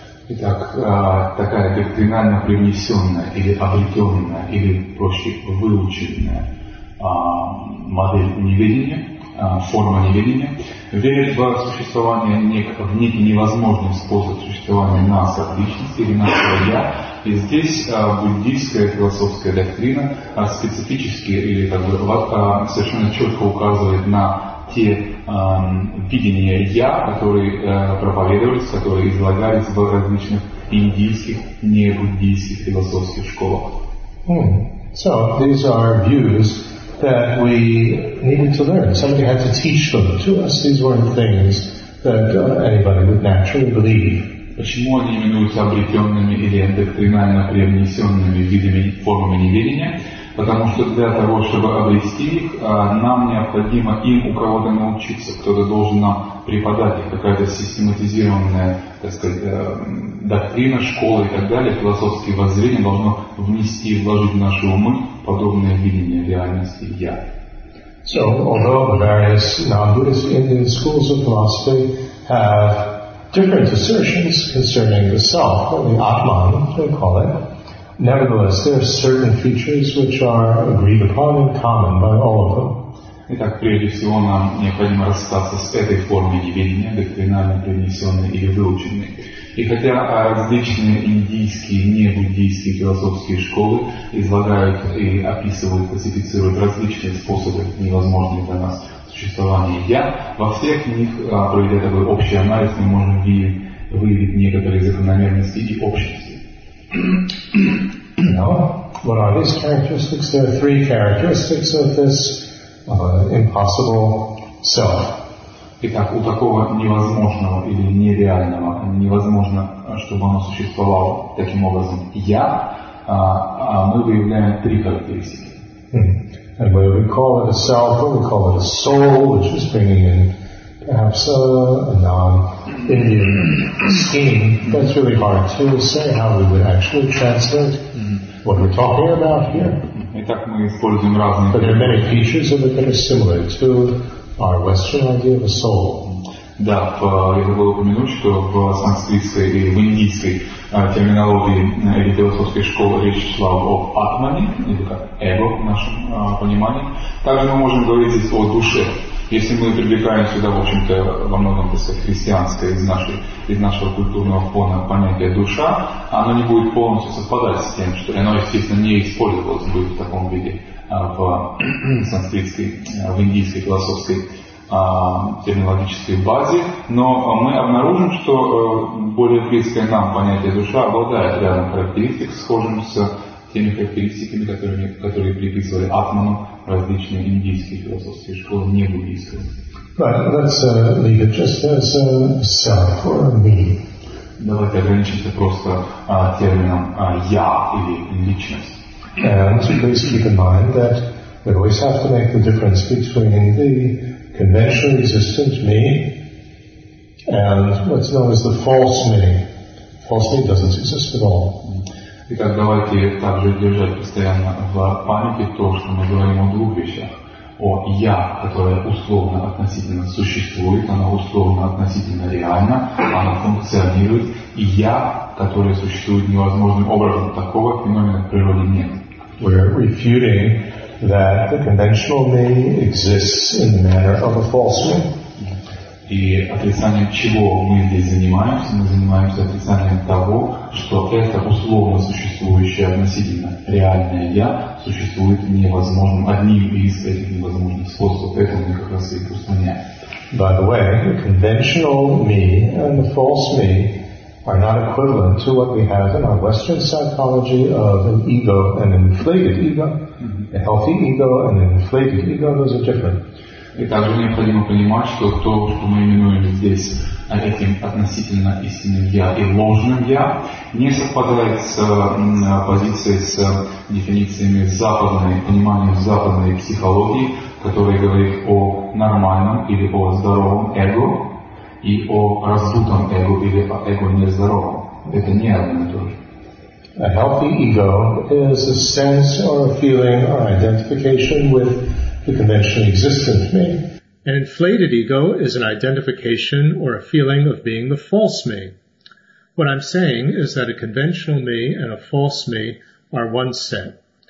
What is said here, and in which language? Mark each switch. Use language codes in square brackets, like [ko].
[ru] Итак, такая доктринально привнесенная или обретенная, или проще выученная модель неведения, форма неведения, верит в существование в некий невозможный способ существования нас как личности или нашего я. И здесь буддийская философская доктрина специфически или как бы совершенно четко указывает на те видения я, которые проповедовались, которые излагались в различных индийских, не буддийских философских школах. [en] So these are views that we needed to learn. Somebody had to teach them to us. These weren't things that anybody would naturally believe. [ru] Почему они именуются обретенными или доктринально привнесенными видами формами неведения? Потому что для того, чтобы обрести их, нам необходимо им у кого-то научиться, кто-то должен нам преподать их, какая-то систематизированная, так сказать, доктрина, школа и так далее, философские воззрения должно внести и вложить в наши умы подобное видение реальности «я». [en] So, although the various non-Buddhist Indian schools of philosophy have different assertions concerning the self, or the Atman, they call it, nevertheless, there are certain features which are agreed upon and common by all of them. [ru] Итак, прежде всего, нам необходимо расстаться с этой формой неведения, доктринально принесенной или выученной. И хотя различные индийские, небуддийские философские школы излагают и описывают, классифицируют различные способы, невозможные для нас существования «я», во всех них, проведя такой общий анализ, мы можем выявить некоторые закономерности и общности. [en] Now, what are these characteristics? There are three characteristics of this impossible self. [ru] Итак, у такого невозможного или нереального, невозможно, чтобы оно существовало таким образом «я», мы выявляем три характеристики. [en] And whether we call it a self, or we call it a soul, which is bringing in perhaps a non-Indian scheme, that's really hard to say how we would actually translate what we're talking about here. [ru] Итак, мы используем разные... [en] But there are many features of it that are similar to our Western idea of a soul. [ru] Да, я забыл упомянуть, что в санскритской или в индийской терминологии или философской школы речь шла об атмане, или как эго в нашем понимании. Также мы можем говорить здесь о душе. Если мы привлекаем сюда, в общем-то, во многом, так сказать, христианское из нашего культурного фона понятие «душа», оно не будет полностью совпадать с тем, что оно, естественно, не использовалось бы в таком виде в санскритской, в индийской философской терминологической базе, но мы обнаружим, что более близкое нам понятие душа обладает рядом характеристик, схожим с теми характеристиками, которые приписывали атману различные индийские философские школы, не буддийские. [en] Right, let's leave it just as a self or a me. [ru] Давайте ограничимся просто термином я или личность. [en] And to please keep in mind that we always have to make the difference between the conventionally existent me and what's known as the false me. False me doesn't exist at all. [ru] Итак, давайте также держать постоянно в памяти то, что мы говорим о двух вещах. О я, которое условно относительно существует, оно условно относительно реально, оно функционирует, и я, которое существует невозможным образом, такого феномена в природе нет. [en] We're refuting that the conventional me exists in the manner of a false me. [ru] И отрицанием чего мы здесь занимаемся? Мы занимаемся отрицанием того, что это условно существующее относительно реальное я существует невозможным одним из этих невозможных способов. Это мы как раз и устраняем. [en] By the way, the conventional me and the false me are not equivalent to what we have in our Western psychology of an ego and an inflated ego. A healthy ego and an inflated ego, those are different. [ru] И также необходимо понимать, что то, что мы именуем здесь этим относительно истинным «я» и ложным «я», не совпадает с позицией, с дефинициями западной, пониманием западной психологии, которая говорит о нормальном или о здоровом эго и о раздутом эго или о эго нездоровом. Это не одно и то же. [en] A healthy ego is a sense or a feeling or identification with the conventionally existent me. An inflated ego is an identification or a feeling of being the false me. What I'm saying is that a conventional me and a false me are one set.